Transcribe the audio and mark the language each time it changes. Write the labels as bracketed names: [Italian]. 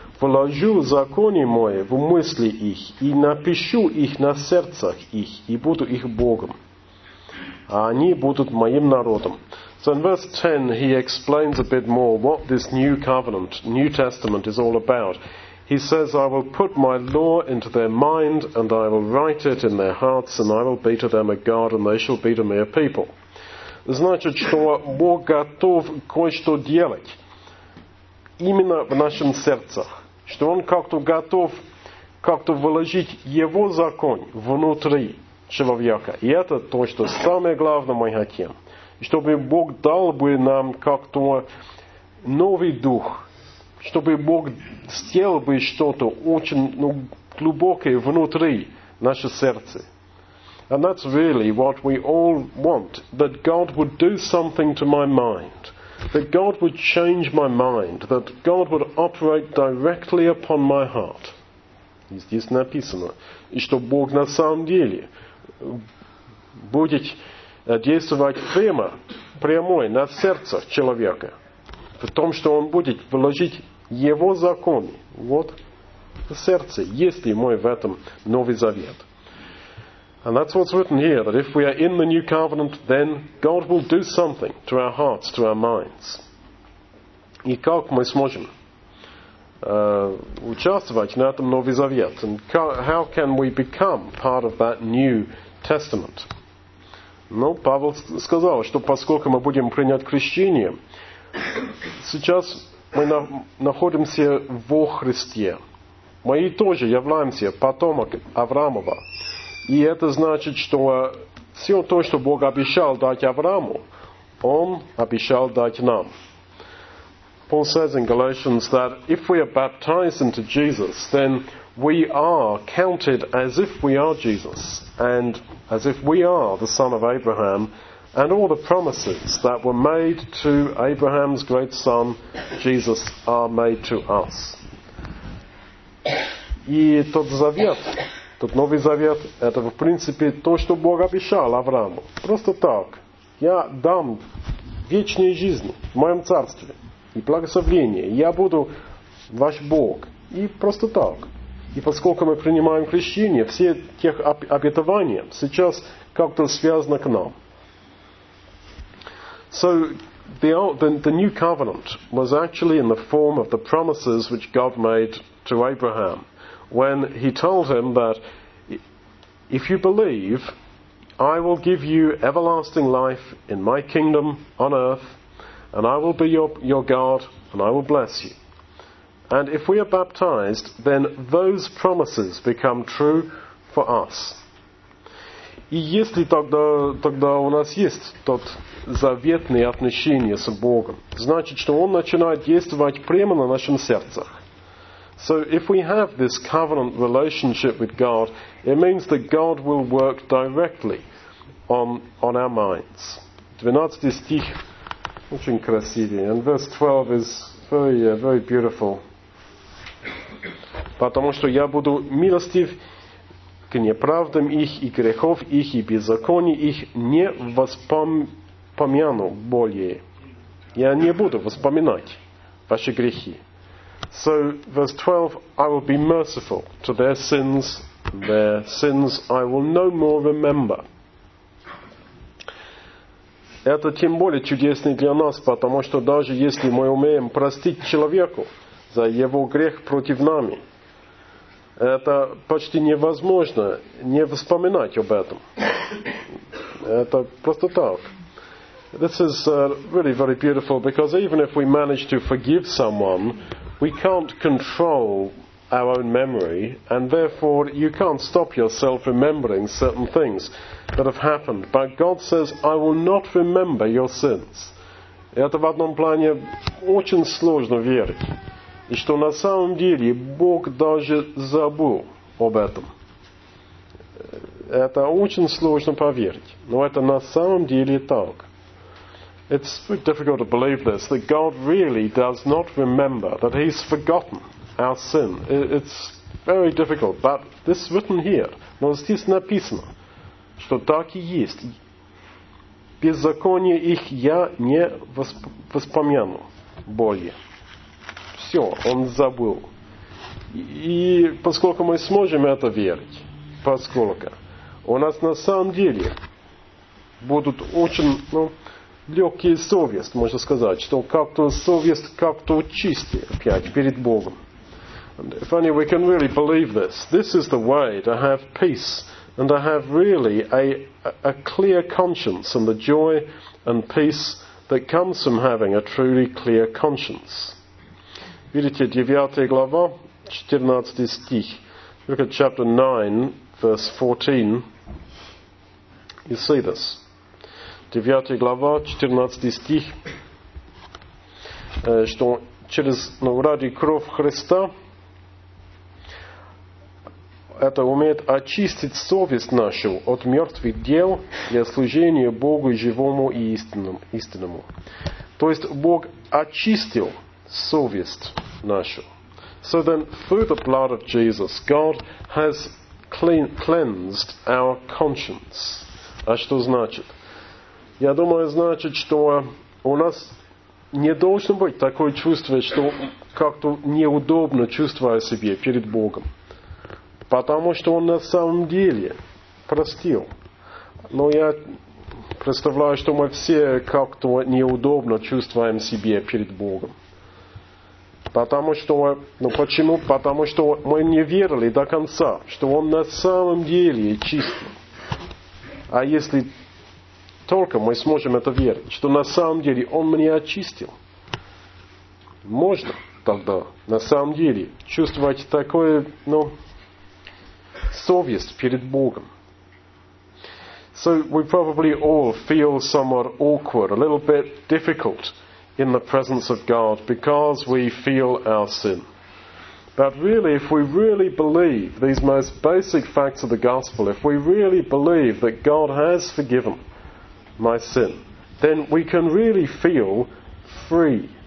[Russian] Вложу законы мои в мысли их, и напишу их на сердцах их, и буду их Богом. А они будут моим народом. [English] So in verse 10 he explains a bit more what this new covenant, New Testament is all about. He says, I will put my law into their mind, and I will write it in their hearts, and I will be to them a God, and they shall be to me a people. [Russian] Значит, что Бог готов кое-что делать именно в нашем сердце. Что Он как-то готов как-то вложить Его закон внутри человека. И это то, что самое главное мы хотим. Чтобы Бог дал бы нам как-то новый дух. Чтобы Бог сделал бы что-то очень глубокое внутри наше сердце. [English] And that's really what we all want, that God would do something to my mind, that God would change my mind, that God would operate directly upon my heart. [Russian] И здесь написано, и что Бог на самом деле будет действовать прямо, прямой на сердце человека, в том, что он будет вложить его законы. Вот сердце, есть ли мой в этом Новый Завет. [English] And that's what's written here, that if we are in the New Covenant, then God will do something to our hearts, to our minds. [Russian] И как мы сможем участвовать на этом Новый Завет? [English] And how can we become part of that New Testament? [Russian] Ну, Павел сказал, что поскольку мы будем принять крещение, сейчас мы находимся во Христе. Мы и тоже являемся потомок Авраамова. И это значит, что все то, что Бог обещал дать Аврааму, Он обещал дать нам. [English] Paul says in Galatians that if we are baptized into Jesus, then we are counted as if we are Jesus, and as if we are the son of Abraham, and all the promises that were made to Abraham's great son, Jesus, are made to us. [Russian] И тот завет, тот Новый Завет, это в принципе то, что Бог обещал Аврааму. Просто так. Я дам вечную жизнь в моем царстве и благословение. Я буду ваш Бог. И просто так. И поскольку мы принимаем крещение, все тех обетования сейчас как-то связаны к нам. [English] So, the new covenant was actually in the form of the promises which God made to Abraham when he told him that if you believe, I will give you everlasting life in my kingdom on earth, and I will be your God, and I will bless you. And if we are baptized, then those promises become true for us. [Russian] И если тогда у нас есть тот заветный отношение с Богом, значит, что Он начинает действовать прямо на нашем сердце. [English] So if we have this covenant relationship with God, it means that God will work directly on our minds. [Russian] 12 стих очень красивый. [English] And verse 12 is very beautiful. [Russian] Потому что я буду милостив к неправдам их и грехов их и беззаконий их не воспомяну более. Я не буду вспоминать ваши грехи. [English] So, verse 12, I will be merciful to their sins I will no more remember. [Russian] Это тем более чудесно для нас, потому что даже если мы умеем простить человеку за его грех против нами, это почти невозможно не вспоминать об этом. Это просто так. [English] This is really very beautiful, because even if we manage to forgive someone, we can't control our own memory, and therefore you can't stop yourself remembering certain things that have happened. But God says, I will not remember your sins. [Russian] Это в одном плане очень сложно верить. И что на самом деле Бог даже забыл об этом. Это очень сложно поверить. Но это на самом деле так. [English] It's pretty difficult to believe this, that God really does not remember, that He's forgotten our sin. It's very difficult, but this is written here. [Russian] Но здесь написано, что так и есть. Беззаконие их я не вспомяну более. Все, Он забыл. И поскольку мы сможем это верить, поскольку у нас на самом деле будут очень... Ну, легкие совесть, можно сказать, что как-то совесть как-то чистый опять перед Богом. [English] And if only we can really believe this. This is the way to have peace and to have really a clear conscience and the joy and peace that comes from having a truly clear conscience. [Russian] Видите, 9 глава, 14 стих. [English] Look at chapter 9, verse 14. You see this. [Russian] 9 глава, 14 стих, что через, ну, ради кровь Христа это умеет очистить совесть нашу от мертвых дел для служения Богу живому и истинному. То есть Бог очистил совесть нашу. [English] So then, through the blood of Jesus, God has cleansed our conscience. [Russian] А что значит? Я думаю, значит, что у нас не должно быть такое чувство, что как-то неудобно чувствуя себя перед Богом. Потому что Он на самом деле простил. Но я представляю, что мы все как-то неудобно чувствуем себя перед Богом. Потому что, ну почему? Потому что мы не верили до конца, что Он на самом деле чист. А если только мы сможем это верить, что на самом деле Он меня очистил, можно тогда на самом деле чувствовать такое, ну, совесть перед Богом. [English] So we probably all feel somewhat awkward, a little bit difficult in the presence of God because we feel our sin. But really, if we really believe these most basic facts of the gospel, if we really believe that God has forgiven my sin, then we can really feel free.